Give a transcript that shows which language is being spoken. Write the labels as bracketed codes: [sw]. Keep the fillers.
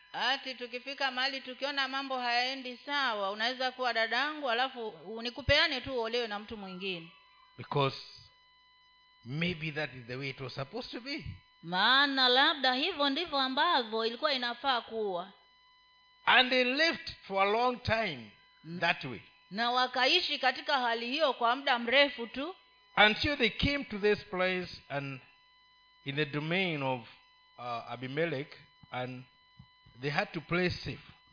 [sw] hati tukifika mahali tukiona mambo hayaendi sawa unaweza kuwa dadangu alafu nikupeane tu uolewe na mtu mwingine [en] because maybe that is the way it was supposed to be [sw] maana labda hivyo ndivyo ambavyo ilikuwa inafaa kuwa [en] and they lived for a long time that way [sw] na wakaishi katika hali hiyo kwa muda mrefu tu [en] until they came to this place and in the domain of uh, abimelech and they had to play safe